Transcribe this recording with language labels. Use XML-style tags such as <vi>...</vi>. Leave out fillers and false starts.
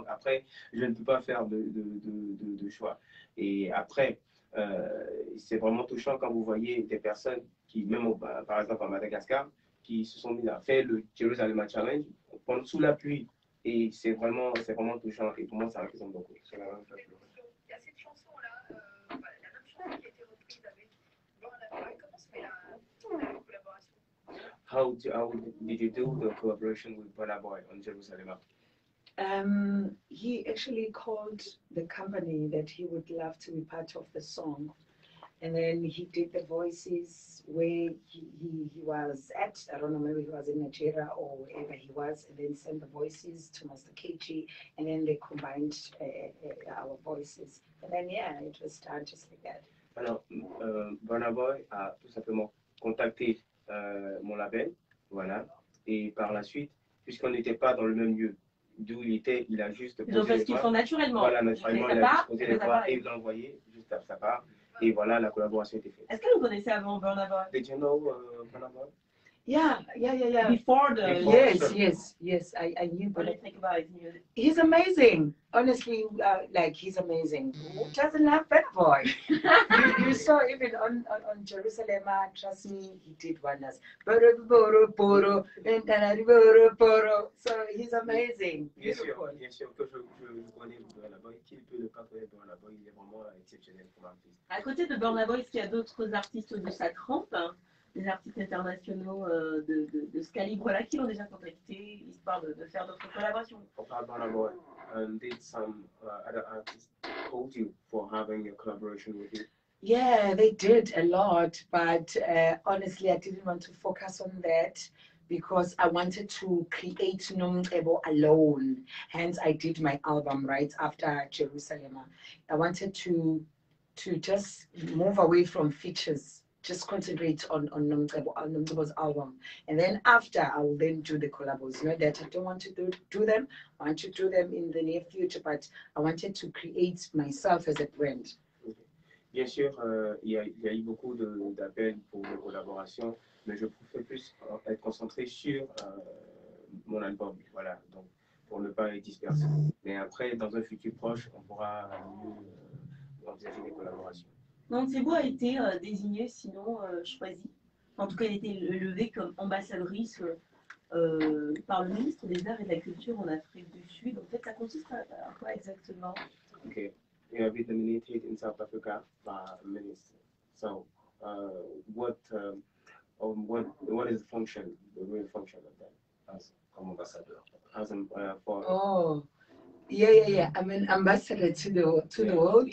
<fr>Donc après, je ne peux pas faire de choix. Et après, c'est vraiment touchant quand vous voyez des personnes qui, même par exemple à Madagascar, qui se sont mis à faire le Jerusalem Challenge pendant sous la pluie, et c'est vraiment touchant, et pour moi ça représente beaucoup. Il y a cette chanson là, la même chanson qui a été reprise avec Born Alive, comment se fait la collaboration?</fr> <en>How did you do the collaboration with Born Alive on Jerusalem? He actually called the company that he would love to be part of the song. And then he did the voices where he was at. I don't know, maybe he was in Nigeria or wherever he was, and then sent the voices to Master KG, and then they combined our voices. And then, yeah, it was done just like that.</en> <fr>Alors, Burna Boy a tout simplement contacté mon label, voilà, et par la suite, puisqu'on n'était pas dans le même lieu d'où il était, il a juste posé. Ils ont fait ce qu'ils font naturellement. Voilà, naturellement, il a posé les voix et il l'a envoyé juste à sa part. Et voilà, la collaboration était faite. Est-ce que vous connaissez avant Burna Boy?</fr> <en>Did you know Burna Boy? Yeah. Before the... Yes. I knew Burna Boy. What do you think about his music? He's amazing. Honestly, he's amazing. Who doesn't love Burna Boy? you saw even on Jerusalem, trust me, he did wonders. Boro, boro, boro, internari, boro, boro. So he's amazing.</en> <fr>Bien sûr. Je connais Burna Boy. Qui peut ne pas connaître Burna Boy? Il est vraiment exceptionnel pour l'artiste. À côté de Burna Boy, est-ce qu'il y a d'autres artistes de sa trempe, hein, des artistes internationaux de ce calibre-là qui l'ont déjà contacté, histoire de faire d'autres collaborations? On parle Burna Boy.</fr> <en>Did some other artists quote you for having a collaboration with you? Yeah, they did a lot, but honestly, I didn't want to focus on that because I wanted to create Nomcebo alone. Hence, I did my album right after Jerusalem. I wanted to just move away from features, just concentrate on Nomcebo's album. And then after, I'll then do the collabs. You know that I don't want to do them. I want to do them in the near future, but I wanted to create myself as a brand.</en> <fr>Bien sûr, il y a eu beaucoup d'appels pour des collaborations, mais je préfère plus être concentré sur mon album, voilà, donc pour ne pas être dispersé. Mais après, dans un futur proche, on pourra envisager des collaborations. Nomcebo a été désigné, sinon choisi. En tout cas, il a été élevé comme ambassadrice par le ministre des Arts et de la Culture en Afrique du Sud. En fait, ça consiste à quoi exactement? Ok.</fr> <en>You have been nominated in South Africa by a minister. So, what is the function, the real function of that as ambassador, as an for? Oh, yeah. I'm an ambassador to the world,</en>